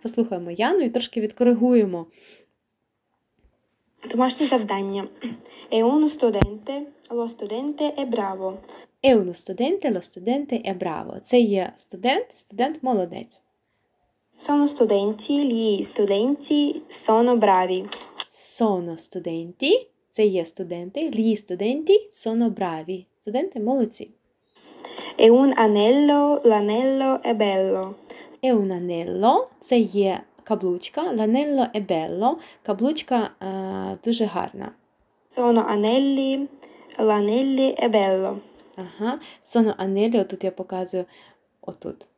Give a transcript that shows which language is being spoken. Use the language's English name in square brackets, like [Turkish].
[Ukrainian] Послухаємо Яну і трошки відкоригуємо. Домашнє завдання. [Italian] È uno studente, lo studente è bravo. È uno studente, lo studente è bravo. [Ukrainian] Це є студент, студент молодець. [Italian] Sono studenti, gli studenti sono bravi. Sono studenti, [Ukrainian] це є студенти, [Italian] gli studenti sono bravi. [Ukrainian] Студенти молодці. [Italian] È un anello, l'anello è bello. È un anello, [Ukrainian] це є каблучка. [Italian] L'anello è bello, [Ukrainian] каблучка дуже гарна. [Italian] Sono anelli, l'anelli è bello. [Ukrainian] Ага, [Italian] sono anelli, [Ukrainian] отут я показую, отут.